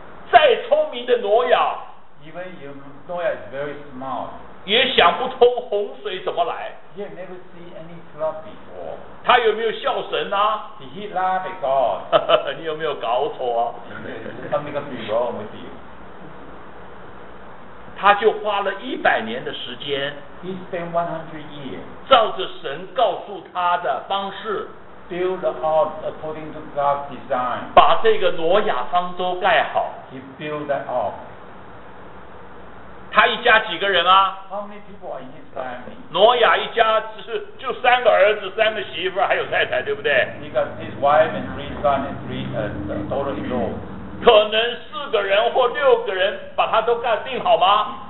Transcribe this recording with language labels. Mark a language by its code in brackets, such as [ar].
[zh] 再聪明的挪亚 [en] Even if Noah is very smart [zh] 也想不通洪水怎么来 [en] He had never seen any flood before [zh] 他有没有笑神啊 [en] Did he laugh at God? [zh] 你有没有搞错啊 [en] Something has been wrong with you [zh] 他就花了一百年的时间 [en] He spent 100 years [zh] 照着神告诉他的方式 [en] Build the ark according to God's design [zh] 把这个挪亚方舟盖好 [en] He built the ark [zh] 他一家几个人啊 [en] How many people are in his family? [zh] 挪亚一家就三个儿子三个媳妇还有太太对不对 [en] He got his wife and three sons and three daughters-in-law [zh] 可能四个人或六个人把它都干定好吗？